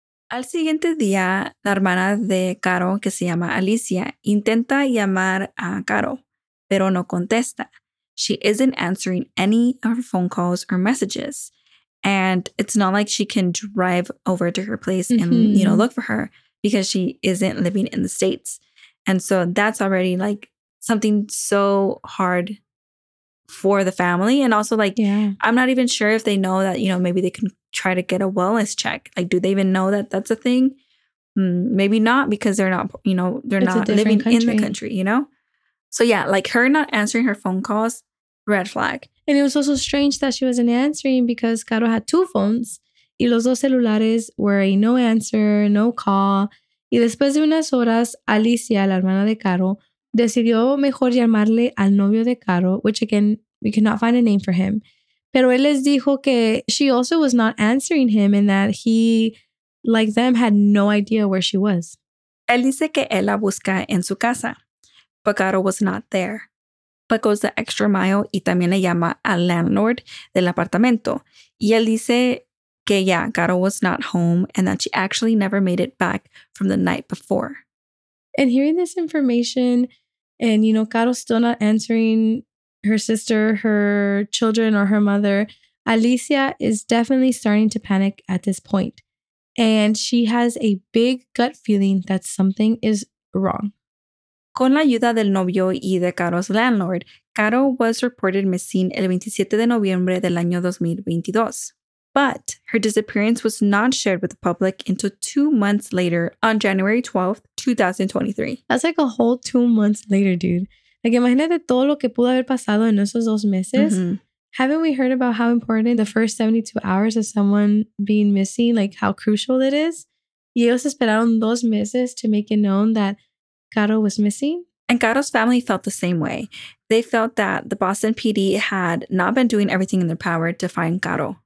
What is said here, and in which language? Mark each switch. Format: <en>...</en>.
<es>Al siguiente día, la hermana de Caro, que se llama Alicia, intenta llamar a Caro, pero no contesta.</es> <en>She isn't answering any of her phone calls or messages. And it's not like she can drive over to her place and, you know, look for her because she isn't living in the States. And so that's already like something so hard for the family. And also like, I'm not even sure if they know that, you know, maybe they can try to get a wellness check. Like, do they even know that that's a thing? Maybe not, because they're not, you know, they're it's not living country. In the country, you know? So yeah, like her not answering her phone calls, red flag. And it was also strange that she wasn't answering because Caro had two phones</en> <es>y los dos celulares</es> <en>were a no answer, no call.</en> <es>Y después de unas horas, Alicia, la hermana de Caro, decidió mejor llamarle al novio de Caro,</es> <en>which again, we could not find a name for him.</en> <es>Pero él les dijo que</es> <en>she also was not answering him and that he, like them, had no idea where she was.</en> <es>Él dice que él la busca en su casa,</es> <en>but Caro was not there. But goes the extra mile</en> <es>y también le llama al landlord del apartamento. Y él dice que</es> <en>yeah, Caro was not home and that she actually never made it back from the night before. And hearing this information and, you know, Caro still not answering her sister, her children, or her mother, Alicia is definitely starting to panic at this point. And she has a big gut feeling that something is wrong.</en> <es>Con la ayuda del novio y de</es> <en>Caro's landlord, Caro was reported missing</en> <es>el 27 de noviembre del año 2022.</es> <en>But her disappearance was not shared with the public until 2 months later on January 12th, 2023. That's like a whole 2 months later, dude. Like,</en> <es>imagínate todo lo que pudo haber pasado en esos dos meses. Mm-hmm.</es> <en>Haven't we heard about how important the first 72 hours of someone being missing, like how crucial it is?</en> <es>Y ellos esperaron 2 meses</es> <en>to make it known that Caro was missing. And Caro's family felt the same way. They felt that the Boston PD had not been doing everything in their power to find Caro.</en>